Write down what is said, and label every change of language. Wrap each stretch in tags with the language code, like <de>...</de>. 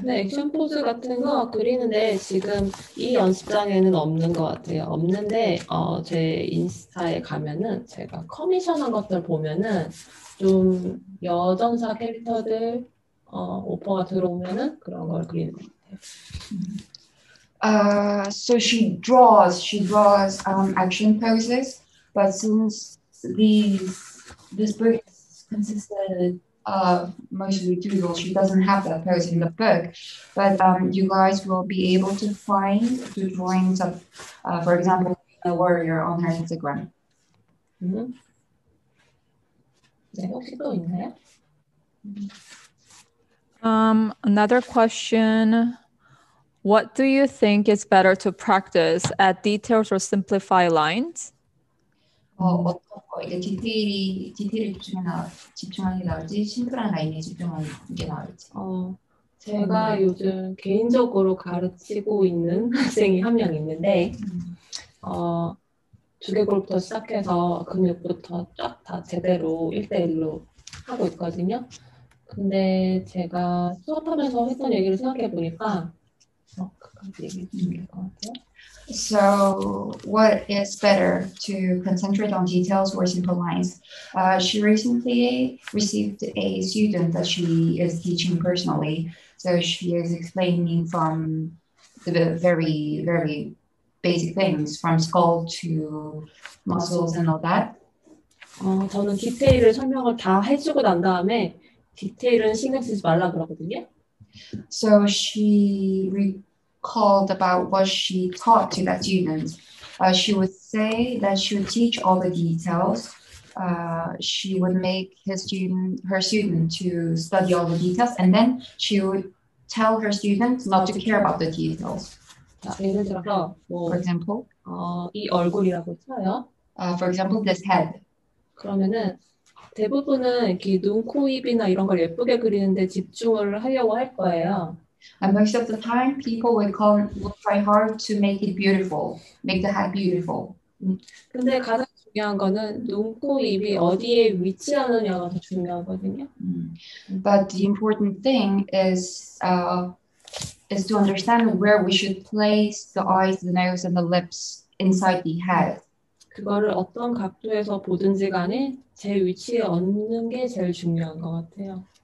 <ko>네, 액션 포즈 같은 거 그리는데 지금 이 연습장에는 없는 것 같아요. 없는데 제 인스타에 가면은 제가 커미션한 것들 보면은 좀 여전사 캐릭터들 오퍼가 들어오면은 그런 걸 그리는 것 같아요.</ko> <en>So she draws action poses, but since this book consisted of mostly doodles, she doesn't have that pose in the book. But you guys will be able to find the drawings of, for example, a warrior on her Instagram.</en> <ko>네, 혹시 또 있나요?</ko> <en>Another question. What do you think is better to practice, add details or simplify lines?</en> <ko>어떤 거 이제 디테일이 집중하는 게 나을지 심플한 라인에 집중하는 게 나을지. 제가 요즘 개인적으로 가르치고 있는 학생이 한명 있는데, 주개골부터 시작해서 근육부터 쫙다 제대로 1대1로 하고 있거든요. 근데 제가 수업하면서 했던 얘기를 생각해 보니까, 그까지 얘기해 주시면 될것 같아요.</ko> <en>So, what is better to concentrate on details or simple lines? She recently received a student that she is teaching personally. So, she is explaining from the very, very basic things, from skull to muscles and all that.</en> <ko>저는 디테일을 설명을 다 해주고 난 다음에 디테일은 신경 쓰지 말라 그러거든요.</ko> <en>So, she called about what she taught to that student. She would say that she would teach all the details. She would make her student to study all the details, and then she would tell her students not to care about the details.</en> <ko>예를 들어서</ko> <en>For</en> <ko>뭐</ko> <en>example,</en> <ko>이 얼굴이라고 쳐요.</ko> <en>for example, this head.</en> <ko>그러면은 대부분은 이렇게 눈, 코, 입이나 이런 걸 예쁘게 그리는데 집중을 하려고 할 거예요.</ko> <en>And most of the time, people will try hard to make it beautiful, make the head beautiful.</en> <ko>근데 가장 중요한 거는 눈, 코, 입이 어디에 위치하느냐가 더 중요하거든요.</ko> <en>But the important thing is is to understand where we should place the eyes, the nose, and the lips inside the head.</en> <ko>그거를 어떤 각도에서 보든지 간에 제 위치에 얹는 게 제일 중요한 것 같아요.</ko>